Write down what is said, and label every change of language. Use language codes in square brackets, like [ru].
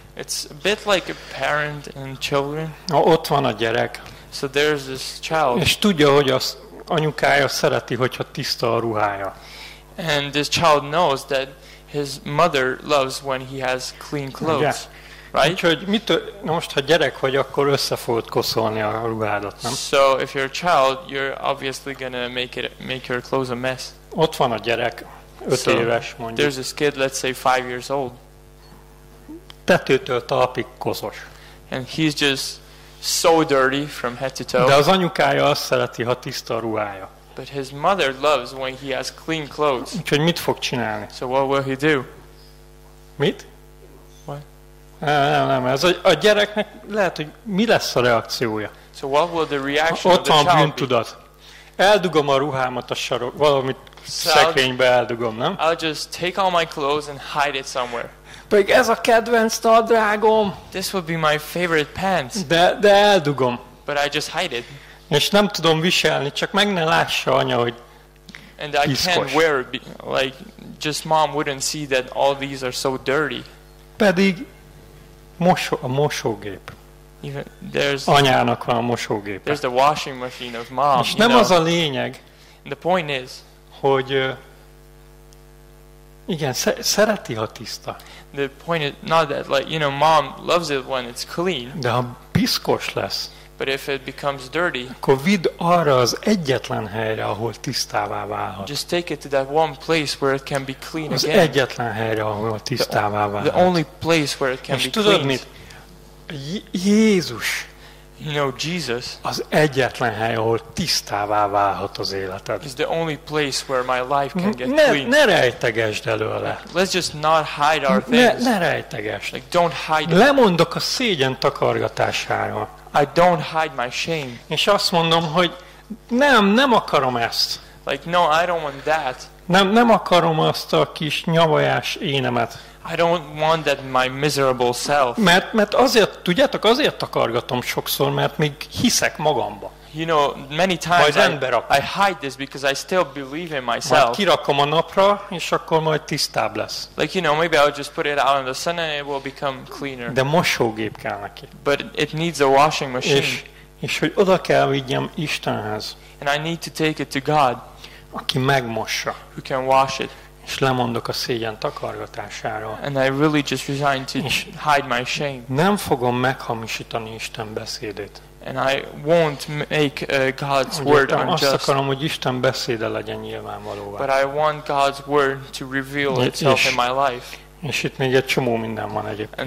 [en] It's a bit like a parent and children. [hu] Ott van a gyerek. [en] So there's this child. [hu] És tudja, hogy az anyukája szereti, hogyha tiszta a ruhája. [en] And this child knows that his mother loves when he has clean clothes, yeah. Right? [hu] Úgyhogy most ha gyerek vagy, akkor össze fogod koszolni a ruhádat, nem? [en] So if you're a child, you're obviously gonna make your clothes a mess. [hu] Ott van a gyerek, 5 éves mondjuk. [en] There's this kid, let's say 5 years old. [hu] Tetőtől talpig koszos. [en] And he's just so dirty from head to toe. [hu] De az anyukája azt szereti, ha tiszta a ruhája. [en] But his mother loves when he has clean clothes. [hu] Úgyhogy mit fog csinálni? [en] So what will he do? [hu] Mit? [en] What? [hu] Nem. Ez a gyereknek lehet, hogy mi lesz a reakciója? [en] So what will the reaction of the child be? [hu] Ott van bűntudat. Eldugom a ruhámat a sarok, valamit szekrénybe eldugom, nem? [en] I'll just take all my clothes and hide it somewhere. [hu] Pedig ez a kedvenc nadrágom. [en] This will be my favorite pants. [hu] De eldugom. [en] But I just hide it. [hu] És nem tudom viselni, csak meg ne lássa anya, hogy [en] and I [hu] piszkos. [en] Can't wear it, like, just mom wouldn't see that all these are so dirty. [hu] Pedig a mosógép. [en] Even there's [hu] anyának van a mosógépe. [en] There's the washing machine of mom. [hu] És nem az a lényeg. [en] And the point is, [hu] hogy igen, szereti, ha tiszta. [en] The point is not that, like, you know, mom loves it when it's clean. [hu] De ha piszkos lesz. [en] But if it becomes dirty. [hu] Covid arra az egyetlen helyre, ahol tisztává válhat. [en] Just take it to that one place where it can be clean [hu] az [en] again. [hu] Az egyetlen helyre, ahol tisztává válhat. [en] The only place where it can [hu] és [en] be clean. [hu] Jézus. [en] You know, Jesus. [hu] Az egyetlen hely, ahol tisztává válhat az életed. [en] Is the only place where my life can get [hu] ne, [en] clean. [hu] Ne rejtegesd előle. [en] Let's just not hide our things. [hu] Ne rejtegesd. [en] Like, don't hide. [hu] Lemondok a szégyen takargatására. [en] I don't hide my shame. [hu] És azt mondom, hogy nem akarom ezt. [en] Like, no, I don't want that. [hu] Nem akarom azt a kis nyavajás énemet. [en] I don't want that my miserable self. [hu] Mert azért, tudjátok, azért takargatom sokszor, mert még hiszek magamba. [en] You know, many times I hide this because I still believe in myself. [hu] Majd kirakom a napra, és akkor majd tisztább lesz. [en] Like, you know, maybe I'll just put it out in the sun and it will become cleaner. [hu] De mosógép kell neki. [en] But it needs a washing machine. [hu] És hogy oda kell vigyem Istenhez. [en] And I need to take it to God. [hu] Aki megmossa. [en] Who can wash it. [hu] És lemondok a szégyen takargatásáról. [en] And I really just resign to hide my shame. [hu] Nem fogom meghamisítani Isten beszédét. [en] And I won't make God's word unjust. [hu] Azt akarom, hogy Isten beszéde legyen nyilvánvalóvá. [en] But I want God's word to reveal itself in my life. [hu] És itt még egy csomó minden van egyébként.